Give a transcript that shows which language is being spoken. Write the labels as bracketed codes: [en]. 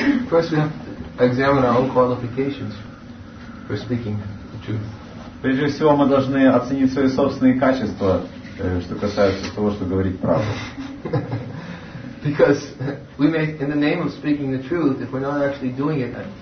[en] First, we have to examine our own qualifications for speaking the truth. [ru] Прежде всего, мы должны оценить свои собственные качества, что касается того, что говорить правду. [en] Because we may, in the name of speaking the truth, if we're not actually doing it.